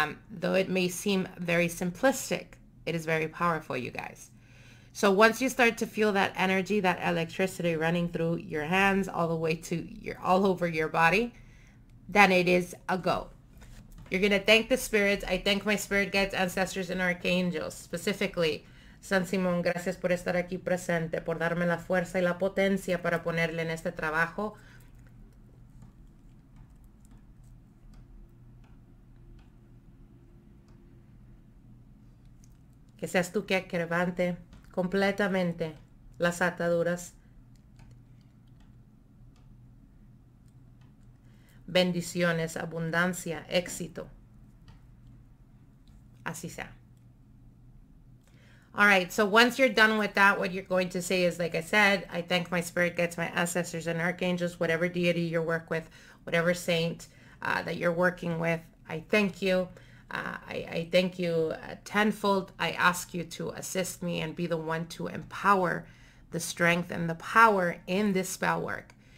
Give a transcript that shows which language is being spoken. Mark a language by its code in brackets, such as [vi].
[en] Though it may seem very simplistic, it is very powerful, you guys. So once you start to feel that energy, that electricity running through your hands all the way to your, all over your body, then it is a go. You're going to thank the spirits. I thank my spirit guides, ancestors, and archangels, specifically San Simón, [es] gracias por estar aquí presente, por darme la fuerza y la potencia para ponerle en este trabajo. Que seas tú que quebrante completamente las ataduras. Bendiciones, abundancia, éxito. Así sea. [en] All right, so once you're done with that, what you're going to say is, like I said, I thank my spirit guides, my ancestors and archangels, whatever deity you work with, whatever saint that you're working with, I thank you. I thank you tenfold. I ask you to assist me and be the one to empower the strength and the power in this spell work.